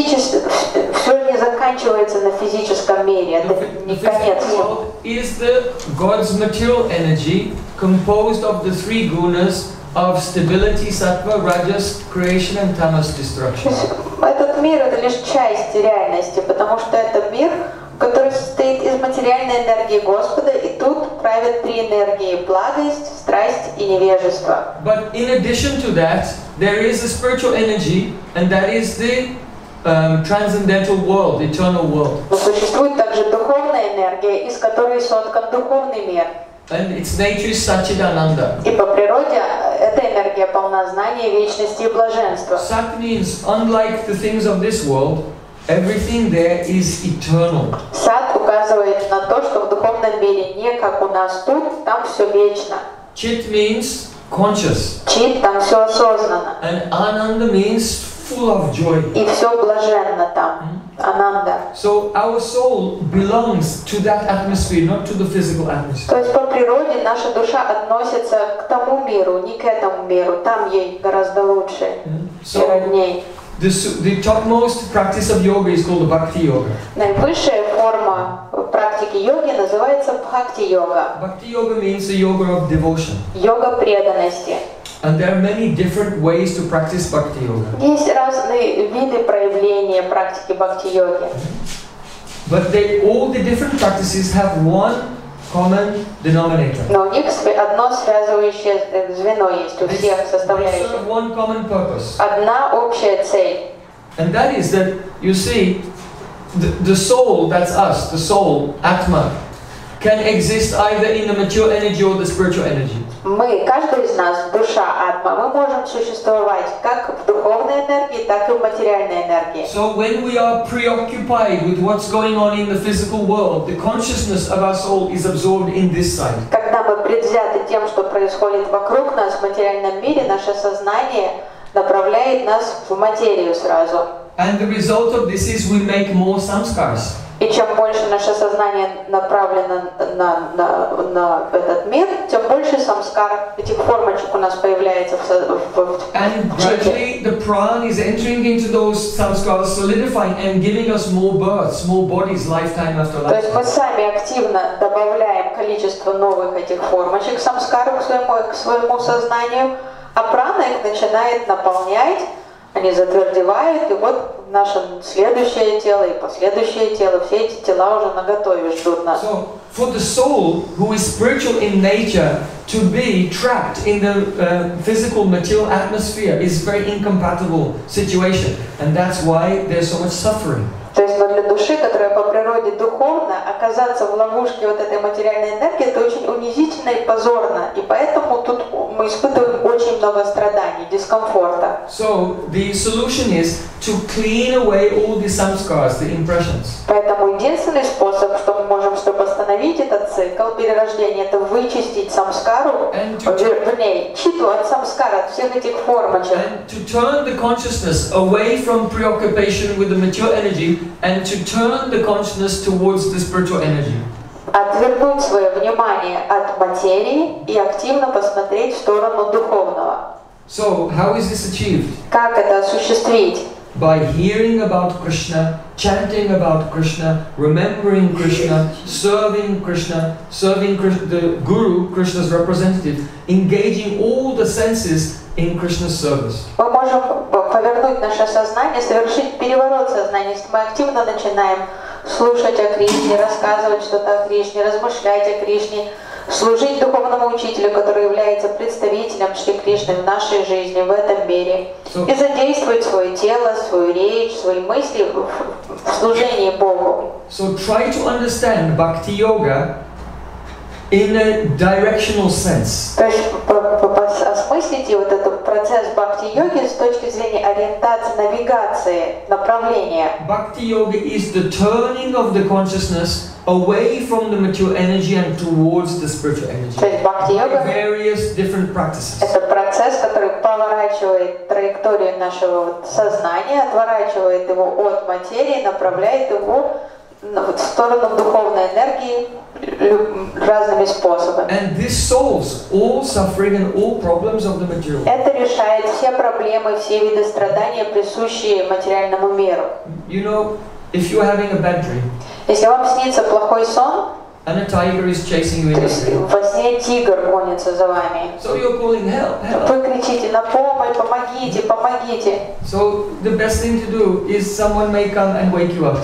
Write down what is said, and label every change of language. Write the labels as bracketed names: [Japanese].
[Russian] Все не заканчивается на физическом мире, это не конец. [English] The physical world is the God's material energy composed of the three gunas of stability, sattva, rajas, creation and tamas, destruction. [Russian] Этот мир это лишь часть реальности, потому что это мир, который состоит из материальной энергии Господа, и тут правят три энергии – благость, страсть и невежество. [English] But in addition to that, there is a spiritual energy, and that is the transcendental world, the eternal world. [Russian] Но существует также духовная энергия, из которой соткан духовный мир. [English] And its nature is Satchidananda. [Russian] И по природе эта энергия полна знания, вечности и блаженства. [English] Sat means, unlike the things of this world, everything there is eternal. [Russian] Сад указывает на то, что в духовном мире не как у нас тут, там все вечно. [English] Чит means conscious. [Russian] Чит там все осознанно. [English] And Ananda means full of joy. [Russian] И все блаженно там. Ананда. [English] So our soul belongs to that atmosphere, not to the physical atmosphere. [Russian] То есть по природе наша душа относится к тому миру, не к этому миру. Там ей гораздо лучше и роднее. [English] The topmost practice of yoga is called bhakti yoga. [Russian] Наивысшая форма практики йоги называется бхакти йога. [English] Bhakti yoga means the yoga of devotion. [Russian] Йога преданности. [English] And there are many different ways to practice bhakti yoga. [Russian] Есть разные виды проявления практики бхакти йоги. [English] But they, all the different practices have one common denominator. [Russian] Но у них одно связывающее звено есть у всех составляющих. [English] They serve one common purpose. [Russian] Одна общая цель. [English] And that is that you see, the soul, that's us, the soul, atma, can exist either in the material energy or the spiritual energy. [Russian] Мы, каждый из нас, душа, атма, мы можем существовать как в духовной энергии, так и в материальной энергии. [English] So when we are preoccupied with what's going on in the physical world, the consciousness of our soul is absorbed in this side. [Russian] Когда мы предвзяты тем, что происходит вокруг нас в материальном мире, наше сознание направляет нас в материю сразу. [English] And the result of this is we make more samskaras. [Russian] И чем больше наше сознание направлено на этот мир, тем больше самскар, этих формочек у нас появляется в [English] And gradually the prana is entering into those samskaras, solidifying and giving us more births, more bodies, lifetime after lifetime. [Russian] То есть мы сами активно добавляем количество новых этих формочек самскар к своему сознанию, а прана их начинает наполнять. Они затвердевают, и вот наше следующее тело и последующее тело, все эти тела уже наготове ждут нас. [English] So, for the soul who is spiritual in nature to be trapped in the physical material atmosphere is very incompatible situation, and that's why there's so much suffering. [Russian] То есть для души, которая по природе духовна, оказаться в ловушке вот этой материальной энергии, это очень унизительно и позорно. И поэтому тут мы испытываем очень много страданий, дискомфорта. [English] So, the solution is to clean away all the samskaras, the impressions. [Russian] Поэтому единственный способ, что мы можем, чтобы остановить этот цикл перерождения, это вычистить самскару, читу от самскар, от всех этих формочек. [English] And to turn the consciousness away from preoccupation with the material energy, and to turn the consciousness towards the spiritual energy. [Russian] Отвернуть свое внимание от материи и активно посмотреть в сторону духовного. [English] So, how is this achieved? [Russian] Как это осуществить? [English] By hearing about Krishna, chanting about Krishna, remembering Krishna, serving Krishna, serving the Guru, Krishna's representative, engaging all the senses in Krishna's service. [Russian] Мы можем повернуть наше сознание, совершить переворот сознания, если мы активно начинаем слушать о Кришне, рассказывать что-то о Кришне, размышлять о Кришне, служить духовному учителю, который является представителем Шри Кришны в нашей жизни, в этом мире, so, и задействовать свое тело, свою речь, свои мысли в служении Богу. [English] So try to understand bhakti yoga in a directional sense. [Russian] То есть осмыслите вот этот процесс бхакти йоги с точки зрения ориентации, навигации, направления. [English] Bhakti yoga is the turning of the consciousness away from the material energy and towards the spiritual energy. [Russian] То есть бхакти йога [English] by various different practices. [Russian] Это процесс, который поворачивает траекторию нашего сознания, отворачивает его от материи, направляет его в сторону духовной энергии разными способами. [English] And this solves all suffering and all problems of the material. [Russian] Это решает все проблемы, все виды страдания, присущие материальному миру. [English] You know, if you're having a bad dream. [Russian] Если вам снится плохой сон, [English] and a tiger is chasing you in the dream. [Russian] Во сне тигр гонится за вами. [English] So you're calling help, help. [Russian] Вы кричите на помощь, помогите, помогите. [English] So the best thing to do is someone may come and wake you up.